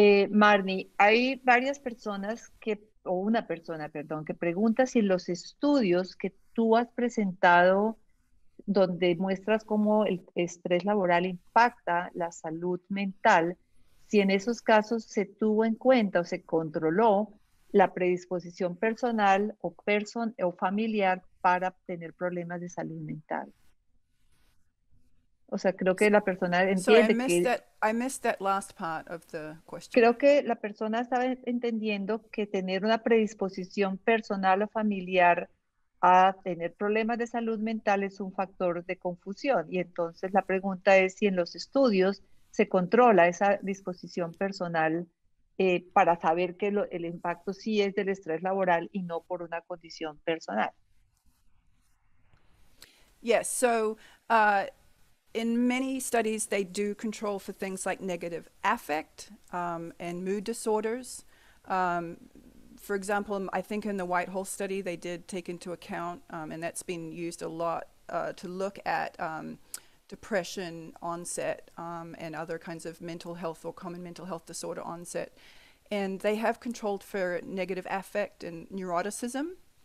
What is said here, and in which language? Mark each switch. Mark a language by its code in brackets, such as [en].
[es] Marnie, hay varias personas que, o una persona, perdón, que pregunta si los estudios que tú has presentado donde muestras cómo el estrés laboral impacta la salud mental, si en esos casos se tuvo en cuenta o se controló la predisposición personal o familiar para tener problemas de salud mental. O sea, creo que la persona entiende que... [en] I missed that last part of the question. [es] Creo que la persona estaba entendiendo que tener una predisposición personal o familiar a tener problemas de salud mental es un factor de confusión. Y entonces la pregunta es si en los estudios se controla esa disposición personal para saber que el impacto sí es del estrés laboral y no por una condición personal. [en] Yes, so in many studies they do control for things like negative affect and mood disorders. For example, I think in the Whitehall study they did take into account, and that's been used a lot to look at depression onset and other kinds of mental health or common mental health disorder onset. And they have controlled for negative affect and neuroticism.